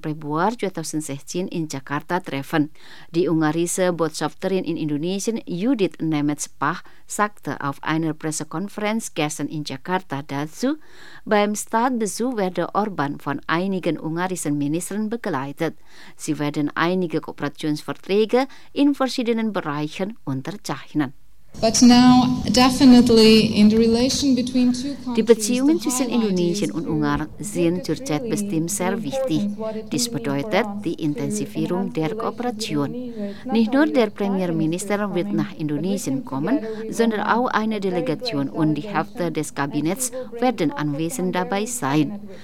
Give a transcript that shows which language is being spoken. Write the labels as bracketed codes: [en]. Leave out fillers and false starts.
[de] Februar 2016 in Jakarta treffen. Die ungarische Botschafterin in Indonesien, Judith Nemetz-Pach, sagte auf einer Pressekonferenz gestern in Jakarta dazu, beim Staatsbesuch werde Orban von einigen ungarischen Ministern begleitet. Sie werden einige Kooperationsverträge in verschiedenen Bereichen unterzeichnen. [en] But now definitely in the relation between two countries. [de] Die Beziehungen zwischen Indonesien und Ungarn sind zurzeit bestimmt sehr wichtig. Dies bedeutet die Intensivierung der Kooperation. Nicht nur der Premierminister wird nach Indonesien kommen, sondern auch eine Delegation und die Hälfte des Kabinetts werden anwesend dabei sein.